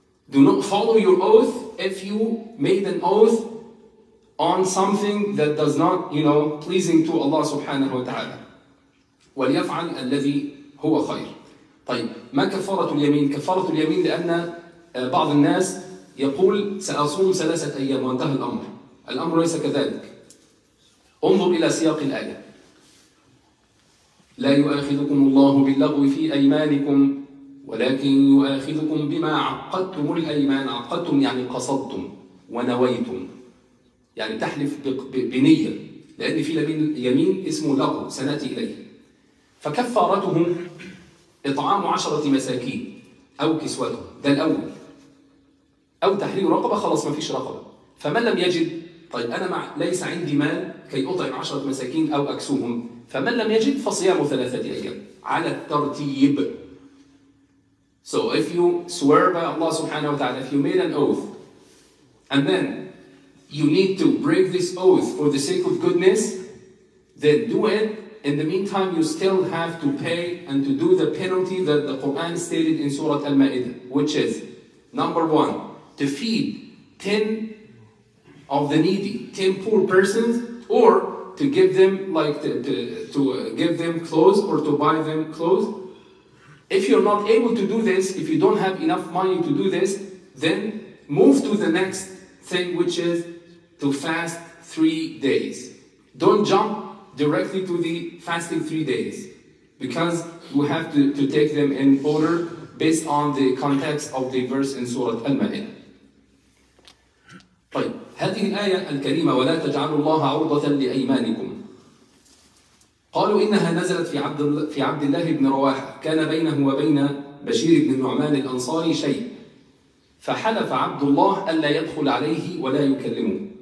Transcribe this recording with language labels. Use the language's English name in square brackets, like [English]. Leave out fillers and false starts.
[English] Do not follow your oath if you made an oath on something that does not, you know, pleasing to Allah subhanahu wa ta'ala. [Arabic] وَلْيَفْعَلْ الَّذِي هُوَ خَيْرٌ. طيب ما كفارة اليمين؟ كفارة اليمين لأن بعض الناس يقول سأصوم ثلاثة أيام وانتهى الأمر. الأمر ليس كذلك. انظر إلى سياق الآية. لا يؤاخذكم الله باللغو في أيمانكم ولكن يؤاخذكم بما عقدتم الأيمان. عقدتم يعني قصدتم ونويتم. يعني تحلف بنية. لأن في يمين اسمه لغو سنأتي إليه. فكفارته إطعام عشرة مساكين أو كسوتهم، ده الأول. أو تحرير رقبة، خلاص ما فيش رقبة. فمن لم يجد، طيب أنا مع ليس عندي مال كي أطعم عشرة مساكين أو أكسوهم، فمن لم يجد فصيام ثلاثة أيام على الترتيب. [English] So if you swear by Allah subhanahu wa ta'ala, if you made an oath and then you need to break this oath for the sake of goodness, then do it. In the meantime, you still have to pay and to do the penalty that the Quran stated in Surah Al-Ma'idah, which is, number one, to feed 10 of the needy, 10 poor persons, or to give them, like, to give them clothes or to buy them clothes. If you're not able to do this, if you don't have enough money to do this, then move to the next thing, which is to fast 3 days. Don't jump directly to the fasting 3 days, because you have to take them in order based on the context of the verse in Surah Al-Ma'idah. [Arabic] طيب هذه الآية الكريمة ولا تجعلوا الله عرضة لأيمانكم. قالوا إنها نزلت في عبد الله بن رواحة، كان بينه وبين بشير بن النعمان الأنصاري شيء، فحلف عبد الله ألا يدخل عليه ولا يكلمه.